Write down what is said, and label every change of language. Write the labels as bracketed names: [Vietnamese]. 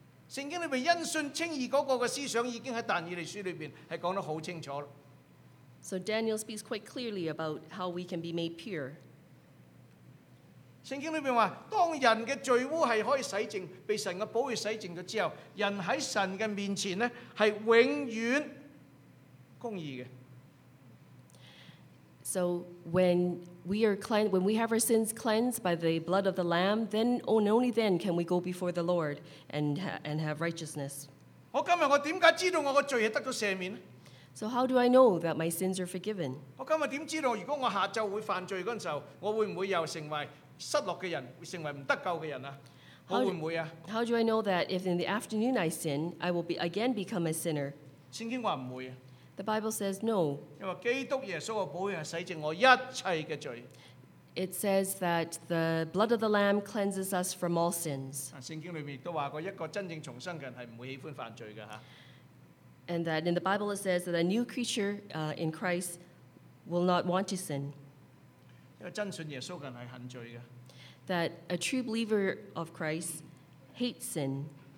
[Cantonese] 聖經裏邊因信稱義嗰個嘅思想已經喺但以利書裏邊係講得好清楚。 [English] So Daniel speaks quite clearly about how we can be made pure. [Cantonese] 聖經裏面話，當人嘅罪污係可以洗淨，被神嘅寶血洗淨咗之後，人喺神嘅面前咧係永遠公義嘅。 [English] So when we have our sins cleansed by the blood of the Lamb, then and only then can we go before the Lord and have righteousness. [Cantonese] 我今日我點解知道我個罪係得到赦免？ [English] So how do I know that my sins are forgiven? [Cantonese] 我今日點知道？如果我下晝會犯罪嗰陣時候，我會唔會又成為失落嘅人，成為唔得救嘅人啊？我會唔會啊 [English] ？How do I know that if in the afternoon I sin, I will be again become a sinner? [Cantonese] 聖經話唔會啊。 [English] The Bible says no. [Cantonese] 因為基督耶穌嘅寶血洗淨我一切嘅罪。 [English] It says that the blood of the Lamb cleanses us from all sins. [Cantonese] 聖經裏面都話過，一個真正重生嘅人係唔會喜歡犯罪嘅嚇。 [English] And that in the Bible it says that a new creature in Christ will not want to sin. That a true believer of Christ hates sin.